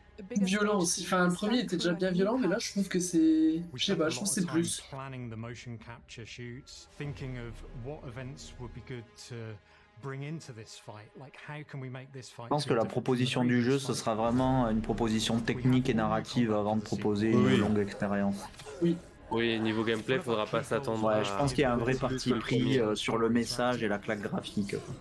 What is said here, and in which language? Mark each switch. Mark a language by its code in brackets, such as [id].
[fr] Violent aussi, enfin le premier était déjà bien violent, mais là je trouve que c'est. Je sais pas, je trouve que c'est plus. [en] Planning the motion capture shoots, thinking of what events would be good to. [fr] Je pense que la proposition du jeu, ce sera vraiment une proposition technique et narrative avant de proposer oui. Une longue expérience. Oui, niveau gameplay, faudra pas s'attendre. Ouais, je pense qu'il y a un vrai parti pris sur le message et la claque graphique.